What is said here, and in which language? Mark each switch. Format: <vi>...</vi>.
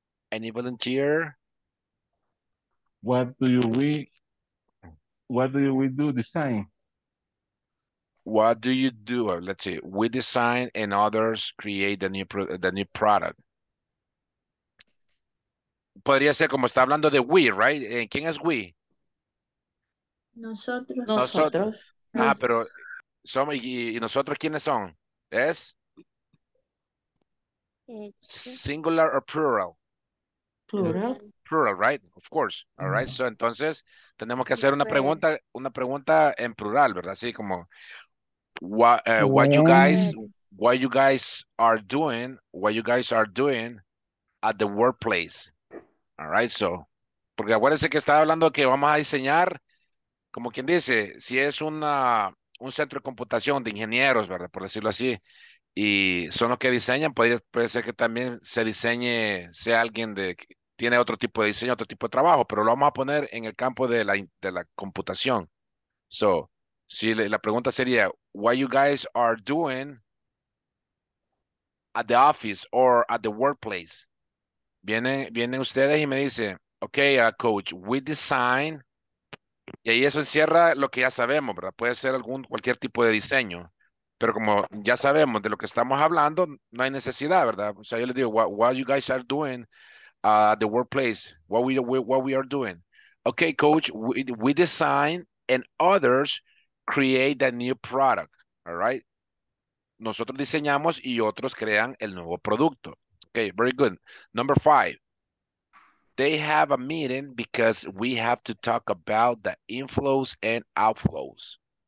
<en>What do we design? What do you do? Let's see. We design and others create the new product.</en> <es>Podría ser como está hablando de we, right? ¿Quién es we? Nosotros. Ah, pero somos y nosotros ¿quiénes son? ¿Es?</es> <en>Singular or plural? Plural, right? Of course. All mm-hmm.</en> <es>right. So entonces tenemos sí, que hacer una pregunta en plural, ¿verdad? Así como</es> <en>what you guys are doing at the workplace. All right, so,</en> <es>porque acuérdense que estaba hablando que vamos a diseñar, como quien dice, si es un centro de computación de ingenieros, ¿verdad? Por decirlo así, y son los que diseñan, puede ser que también se diseñe, sea alguien de tiene otro tipo de diseño, otro tipo de trabajo, pero lo vamos a poner en el campo de la computación.</es> <en>So,</en> <es>si la pregunta sería,</es> <en>what you guys are doing at the office or at the workplace?</en> <es>Vienen ustedes y me dicen, okay, coach,</es> <en>we design</en> <es>Y ahí eso encierra lo que ya sabemos, ¿verdad? Puede ser algún cualquier tipo de diseño. Pero como ya sabemos de lo que estamos hablando, no hay necesidad, ¿verdad? O sea, yo les digo,</es> <en>what you guys are doing at the workplace, what we are doing. Okay, coach, we design and others create that new product, all right?</en> <es>Nosotros diseñamos y otros crean el nuevo producto.</es> <en>Okay, very good. Number five. They have a meeting because we have to talk about the inflows and outflows.</en>